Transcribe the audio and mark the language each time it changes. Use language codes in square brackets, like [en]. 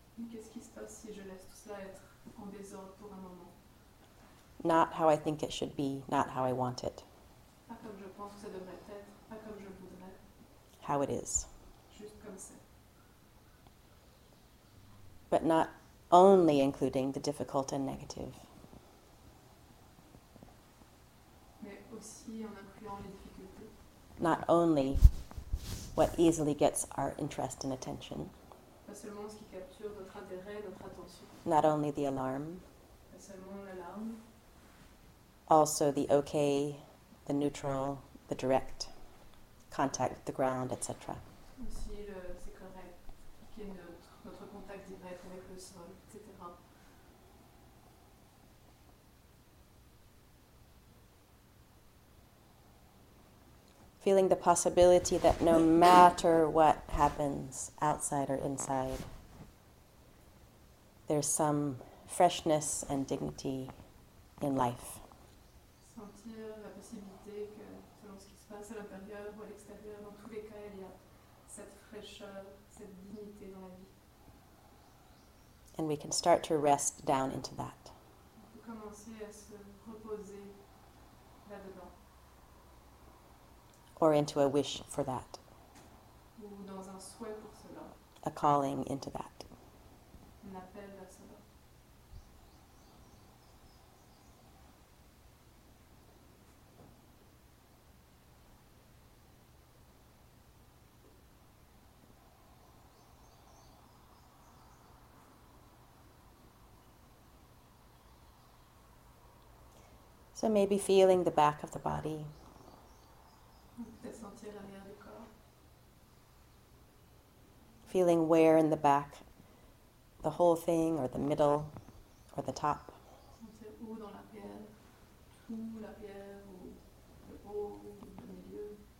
[fr] Qu'est-ce qui se passe si je laisse tout cela être en désordre pour un moment? [en] Not how I think it should be, not how I want it. [fr] Pas comme je pense que ça devrait être, pas comme je voudrais. [en] How it is. [fr] Juste comme c'est. [en] But not only including the difficult and negative. [fr] Mais aussi en incluant les difficultés. [en] Not only what easily gets our interest and attention. [fr] Pas seulement ce qui capture notre intérêt, notre attention. [en] Not only the alarm. [fr] Pas seulement l'alarme. [en] Also the okay, the neutral, the direct contact with the ground, etc. [fr] Aussi le c'est correct, qui est notre contact direct avec le sol, etc. [en] Feeling feeling the possibility that no matter what happens outside or inside, there's some freshness and dignity in life. [fr] Sentir la possibilité que selon ce qui se passe à l'intérieur ou à l'extérieur, dans tous les cas, il y a cette fraîcheur, cette dignité dans la vie. [en] And we can start to rest down into that. [fr] On peut commencer à se reposer là-dedans. [en] Or into a wish for that. [fr] Ou dans un souhait pour cela. [en] A calling into that. [fr] Un appel à cela. [en] So maybe feeling the back of the body. [fr] Peut-être sentir l'arrière du corps. [en] Feeling where in the back, the whole thing, or the middle, or the top. [fr] Sentir où dans la pierre, tout la pierre, ou le haut, ou le milieu.